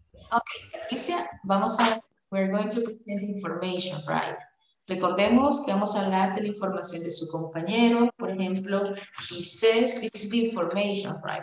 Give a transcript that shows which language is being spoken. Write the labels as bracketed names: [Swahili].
[English] Okay, Patricia, [Spanish] vamos a, [English] we're going to present information, right? [Spanish] Recordemos que vamos a hablar de la información de su compañero. Por ejemplo, [English] he says this is the information, right?